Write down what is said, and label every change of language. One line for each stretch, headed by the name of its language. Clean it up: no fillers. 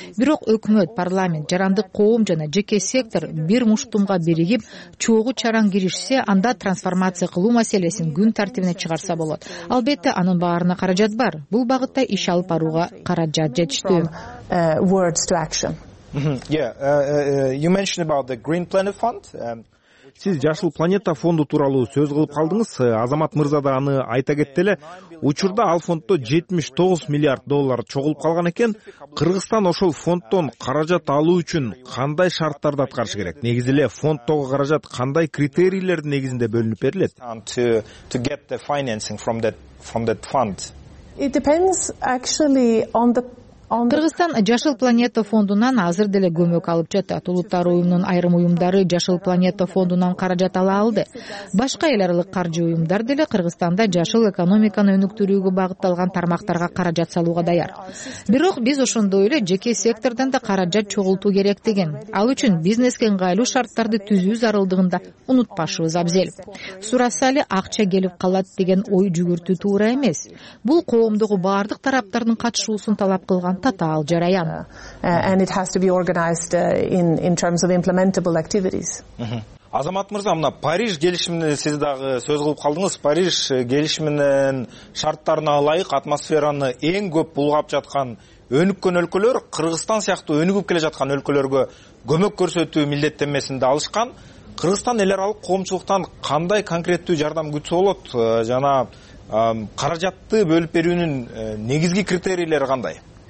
Kyrgyz: Бирок өкмөт, парламент, жарандык коом жана жеке сектор бир муштумга биригип, чогуу чаран киришсе, анда трансформация кылуу маселесин күн тартибине чыгарса болот. Албетте, анын баарына каражат бар. Бул багытта иш алып барууга каражат жетиштүү.
English: Words to action. You mentioned about the Green Planet Fund.
Kyrgyz: Сиз жашыл планета фонду тууралуу сөз кылып калдыңыз. Азамат мырза да аны айта кетти эле. Учурда ал фонддо 79 миллиард доллар чогулуп калган экен. Кыргызстан ошол фонддон каражат алуу үчүн кандай шарттарды аткарышы керек? Негизи эле фонддогу каражат кандай критерийлердин негизинде бөлүнүп берилет?
English: To get the financing from that fund. It depends actually on the
Kyrgyz: Кыргызстан жашыл планета фондунан азыр деле көмөк алып жатат. Улуттар уюмунун айрым уюмдары жашыл планета фондунан каражат ала алды. Башка эл аралык каржы уюмдар деле Кыргызстанда жашыл экономиканы өнүктүрүүгө багытталган тармактарга каражат салууга даяр. Бирок биз ошондой эле жеке сектордон да каражат чогултуу керек деген. Ал үчүн бизнеске ыңгайлуу шарттарды түзүү зарылдыгында унутпашыбыз абзел. Сураса эле акча келип калат деген ой жүгүртүү туура эмес. Бул коомдогу баардык тараптардын катышуусун талап кылган татаал жараян.
English: And it has to be organized in terms of implementable activities.
Kyrgyz: Азамат мырза, мына Париж келишимине сиз дагы сөз кылып калдыңыз. Париж келишиминин шарттарына ылайык атмосфераны эң көп булгап жаткан өнүккөн өлкөлөр Кыргызстан сыяктуу өнүгүп келе жаткан өлкөлөргө көмөк көрсөтүү милдеттенмесин да алышкан. Кыргызстан эл аралык коомчулуктан кандай конкреттүү жардам күтсө болот жана каражатты бөлүп берүүнүн негизги критерийлери кандай?